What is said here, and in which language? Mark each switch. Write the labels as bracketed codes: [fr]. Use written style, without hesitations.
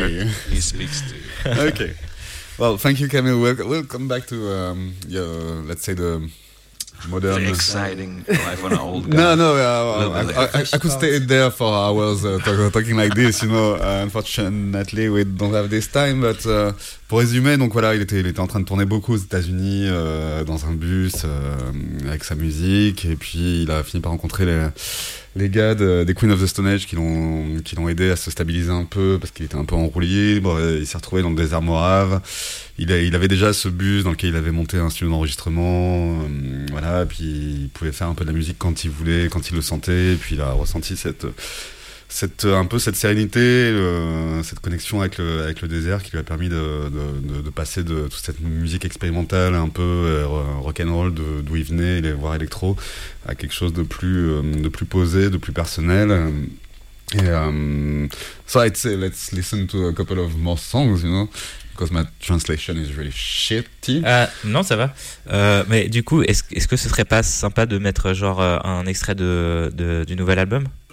[en] Desert, he speaks to you. Okay. Well, thank you, Camille. We'll come back to, let's say, the modern... The exciting life on an old guy. No, no. I could stay there for hours talking like this, you know. Unfortunately, we don't have this time, but... [fr] Pour résumer, donc voilà, il était en train de tourner beaucoup aux États-Unis dans un bus avec sa musique, et puis il a fini par rencontrer les gars des Queen of the Stone Age qui l'ont aidé à se stabiliser un peu parce qu'il était un peu en roue libre. Il s'est retrouvé dans le désert morave. Il avait déjà ce bus dans lequel il avait monté un studio d'enregistrement, voilà, et puis il pouvait faire un peu de la musique quand il voulait, quand il le sentait, et puis il a ressenti cette sérénité, cette connexion avec le désert qui lui a permis de passer de toute cette musique expérimentale un peu rock'n'roll d'où il venait, voire électro, à quelque chose de plus posé, de plus personnel. Et, [en] so I'd say let's listen to a couple of more songs, you know, because my translation is really shitty. [fr] Non, ça va. Mais du coup, est-ce que ce serait pas sympa de mettre genre un extrait du nouvel album?